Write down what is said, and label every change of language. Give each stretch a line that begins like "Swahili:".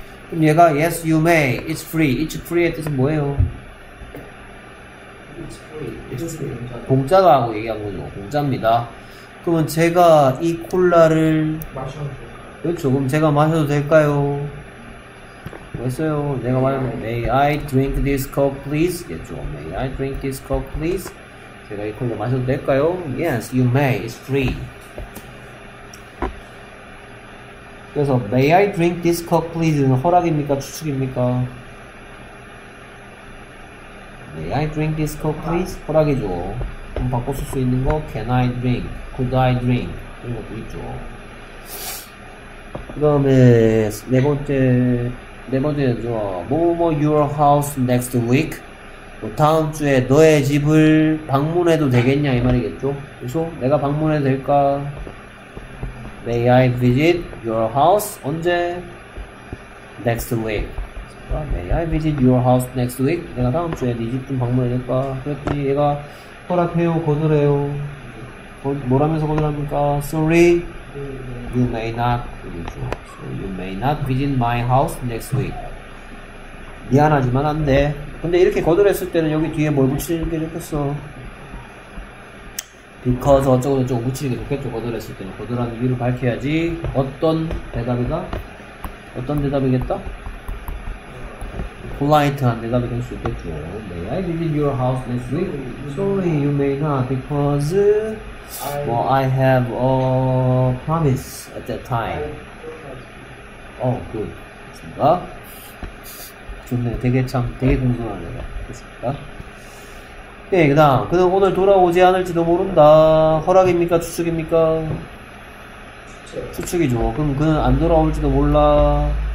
Korean: 그럼 얘가
English: Yes, you may. It's free. It's free의
Korean: 뜻은 뭐예요?
English: It's free. It's free.
Korean: 공짜다 하고 얘기한 거죠. 공짜입니다. 그러면 제가 이 콜라를 마셔도 될까요? 그렇죠. 그럼 제가 마셔도 될까요? 뭐했어요? 내가 말하면
English: May I drink this coke please? 됐죠. May I drink this coke please?
Korean: 제가 이 콜라 마셔도 될까요?
English: Yes, you may. It's free. 그래서 May I drink this coke please?
Korean: 허락입니까? 추측입니까?
English: May I drink this coke please?
Korean: 허락이죠. 그럼 바꿔쓸 수 있는 거
English: Can I drink? Could I drink?
Korean: 이런 것도 있죠. 그 다음에 네 번째 네 번째죠.
English: 뭐뭐 your house next week.
Korean: 뭐 다음 주에 너의 집을 방문해도 되겠냐 이 말이겠죠. 그래서 내가 방문해도 될까?
English: May I visit your house 언제? Next week. May I visit your house next week?
Korean: 내가 다음 주에 네 집 좀 방문해도 될까? 그랬더니 얘가 허락해요, 거절해요. 뭐라면서 거절합니까? Sorry.
English: You may not, so you may not visit my house next week.
Korean: 미안하지만 안 돼. 근데 이렇게 거절했을 때는 여기 뒤에 뭘 붙이는 게 좋겠어? Because 어쩌고저쩌고 붙이는 게 좋겠죠. 거절했을 때는 거절한 이유를 밝혀야지. 어떤 대답이다? 어떤 대답이겠다?
English: Polite한
Korean: 대답이 될 수 있겠죠.
English: May I visit your house next week? Sorry, you may not because. Well, I have a promise at that time. Oh, good.
Korean: 됐습니까? 좋네요. 되게 참, 되게 공손하네요. 됐습니까? 예, 그 다음. 그는 오늘 돌아오지 않을지도 모른다. 허락입니까? 추측입니까? 추측이죠. 그럼 그는 안 돌아올지도 몰라.